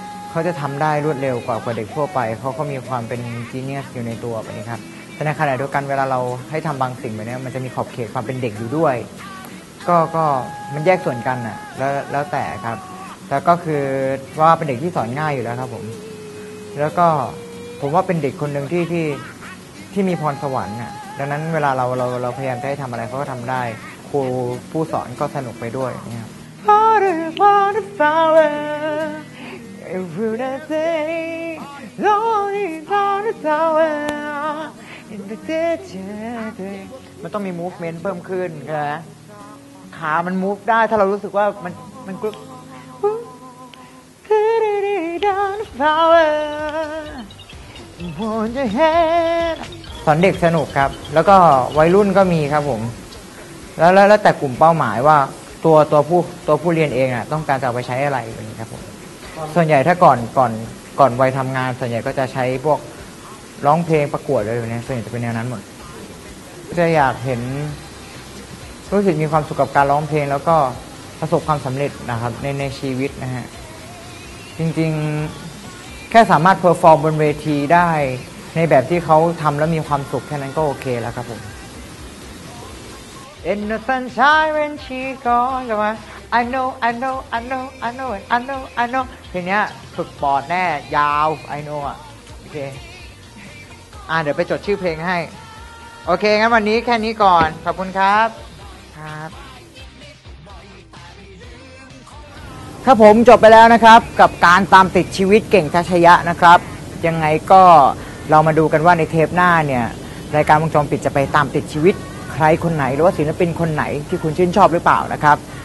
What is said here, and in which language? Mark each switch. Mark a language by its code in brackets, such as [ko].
[th] เขาจะทำได้รวดเร็วกว่าเด็กทั่วไปเขามีความเป็นจีเนียสอยู่ในตัวแบบนี้ครับแต่ในขณะเดียวกันเวลาเราให้ทำบางสิ่งแบบนี้มันจะมีขอบเขตความเป็นเด็กอยู่ด้วยก็มันแยกส่วนกันอ่ะแล้วแต่ครับแล้วก็คือว่าเป็นเด็กที่สอนง่ายอยู่แล้วครับผมแล้วก็ผมว่าเป็นเด็กคนหนึ่งที่ ที่มีพรสวรรค์อ่ะดังนั้นเวลาเราพยายามจะให้ทำอะไรเขาก็ทำได้ครูผู้สอนก็สนุกไปด้วยเนี่ย [en] Heart is on fire every day. Lord is on fire in the desert. [th] มันต้องมี movement เพิ่มขึ้นนะขามัน move ได้ถ้าเรารู้สึกว่ามันกลุ้ม [en] Heart is on fire. Hold your hand. [th] สอนเด็กสนุกครับแล้วก็วัยรุ่นก็มีครับผมแล้วแต่กลุ่มเป้าหมายว่าตัวผู้เรียนเองอ่ะต้องการจะเอาไปใช้อะไรอย่างนี้ครับผมส่วนใหญ่ถ้าก่อนวัยทำงานส่วนใหญ่ก็จะใช้พวกร้องเพลงประกวดอะไรอย่างนี้ส่วนใหญ่จะเป็นแนวนั้นหมดจะอยากเห็น รู้สึกมีความสุขกับการร้องเพลงแล้วก็ประสบความสำเร็จนะครับในชีวิตนะฮะจริงๆแค่สามารถเพอร์ฟอร์มบนเวทีได้ในแบบที่เขาทำแล้วมีความสุขแค่นั้นก็โอเคแล้วครับผม [en] In the sunshine when she's gone, come on. I know, I know, I know, I know, I know, I know. [th] เพลงนี้ฝึกปอดแน่ยาว [en] I know [th] อ่ะโอเคเดี๋ยวไปจดชื่อเพลงให้โอเคงั้นวันนี้แค่นี้ก่อนขอบคุณครับครับครับผมจบไปแล้วนะครับกับการตามติดชีวิตเก่งทัชยะนะครับยังไงก็เรามาดูกันว่าในเทปหน้าเนี่ยรายการวงจรปิดจะไปตามติดชีวิตใครคนไหนหรือว่าศิลปินคนไหนที่คุณชื่นชอบหรือเปล่านะครับ